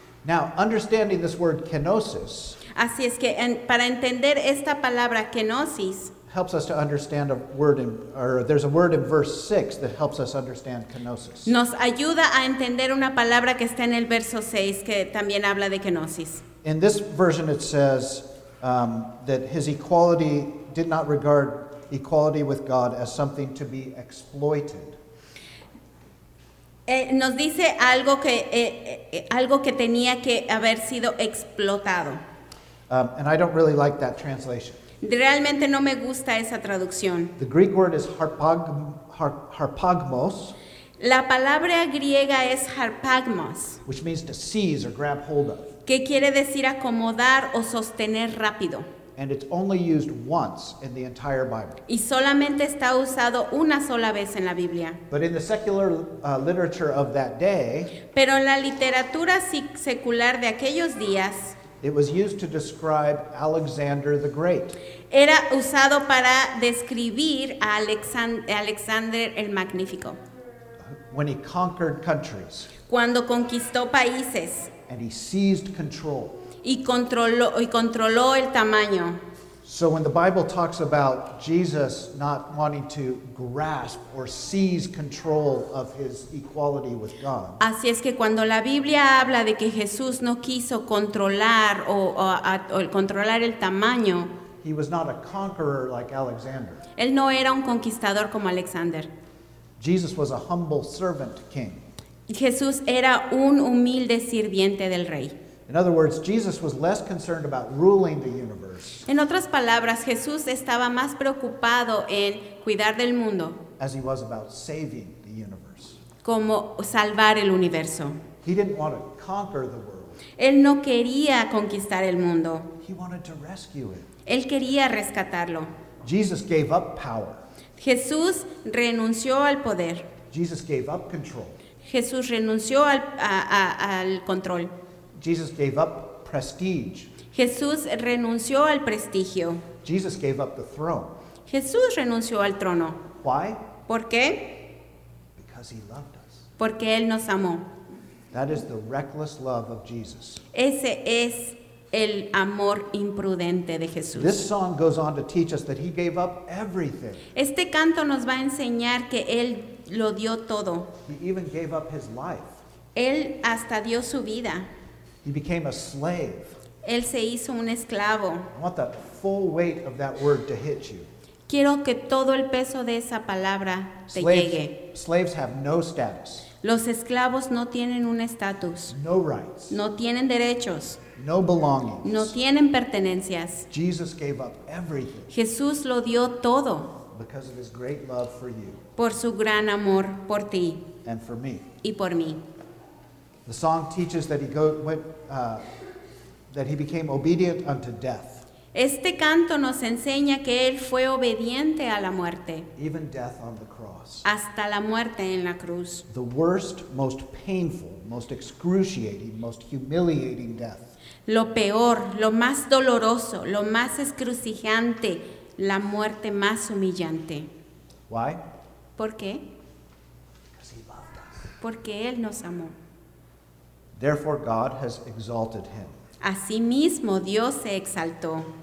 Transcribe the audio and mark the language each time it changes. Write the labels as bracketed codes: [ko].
[en] Now, understanding this word kenosis. [es] Así es que para entender esta palabra kenosis. [en] Helps us to understand a word in, or there's a word in verse 6 that helps us understand kenosis. [es] Nos ayuda a entender una palabra que está en el verso 6 que también habla de kenosis. [en] In this version it says that his equality did not regard equality with God as something to be exploited. [es] Nos dice algo que tenía que haber sido explotado. [en] And I don't really like that translation. [es] Realmente no me gusta esa traducción. [en] The Greek word is harpagmos. [es] La palabra griega es harpagmos. [en] Which means to seize or grab hold of. [es] Que quiere decir acomodar o sostener rápido. [en] And it's only used once in the entire Bible. [es] Y solamente está usado una sola vez en la Biblia. [en] But in the secular literature of that day. [es] Pero en la literatura secular de aquellos días. [en] It was used to describe Alexander the Great. [es] Era usado para describir a Alexander el Magnífico. [en] When he conquered countries. [es] Cuando conquistó países. [en] And he seized control. [es] Y controló el tamaño. [en] So when the Bible talks about Jesus not wanting to grasp or seize control of his equality with God. [es] Así es que cuando la Biblia habla de que Jesús no quiso controlar o controlar el tamaño. [en] He was not a conqueror like Alexander. [es] Él no era un conquistador como Alexander. [en] Jesus was a humble servant king. [es] Jesús era un humilde sirviente del rey. [en] In other words, Jesus was less concerned about ruling the universe. [es] En otras palabras, Jesús estaba más preocupado en cuidar del mundo. [en] As he was about saving the universe. [es] Como salvar el universo. [en] He didn't want to conquer the world. [es] Él no quería conquistar el mundo. [en] He wanted to rescue it. [es] Él quería rescatarlo. [en] Jesus gave up power. [es] Jesús renunció al poder. [en] Jesus gave up control. [es] Jesús renunció al control. [en] Jesus gave up prestige. [es] Jesús renunció al prestigio. [en] Jesus gave up the throne. [es] Jesús renunció al trono. [en] Why? [es] ¿Por qué? [en] Because he loved us. [es] Porque él nos amó. [en] That is the reckless love of Jesus. [es] Ese es el amor imprudente de Jesús. [en] This song goes on to teach us that he gave up everything. [es] Este canto nos va a enseñar que él lo dio todo. [en] He even gave up his life. [es] Él hasta dio su vida. [en] He became a slave. [es] Él se hizo un esclavo. [en] I want the full weight of that word to hit you. [es] Quiero que todo el peso de esa palabra te llegue. [en] Slaves have no status. [es] Los esclavos no tienen un estatus. [en] No rights. [es] No tienen derechos. [en] No belongings. [es] No tienen pertenencias. [en] Jesus gave up everything. [es] Jesús lo dio todo. [en] Because of his great love for you. [es] Por su gran amor por ti. [en] And for me. [es] Y por mí. [en] The song teaches that he became obedient unto death. [es] Este canto nos enseña que él fue obediente a la muerte. [en] Even death on the cross. [es] Hasta la muerte en la cruz. [en] The worst, most painful, most excruciating, most humiliating death. [es] Lo peor, lo más doloroso, lo más excruciante, la muerte más humillante. [en] Why? [es] ¿Por qué? [en] Because he loved us. [es] Porque él nos amó. [en] Therefore, God has exalted him. [es] Asimismo, Dios se exaltó.